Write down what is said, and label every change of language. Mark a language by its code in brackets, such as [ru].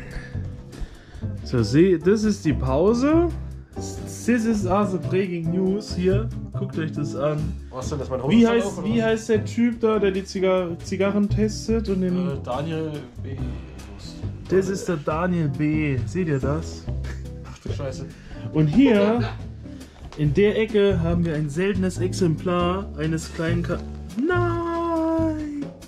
[de] das ist mein Bier, lernt euch. So, das ist die Pause. [en] This is also breaking news hier. [de] Guckt euch das an. Was denn, dass mein Hund wie heißt der Typ da, der die Zigarren testet? Und den Daniel B. Das ist der Daniel B. Seht ihr das? Ach du Scheiße. Und hier. In der Ecke haben wir ein seltenes Exemplar eines kleinen Nein!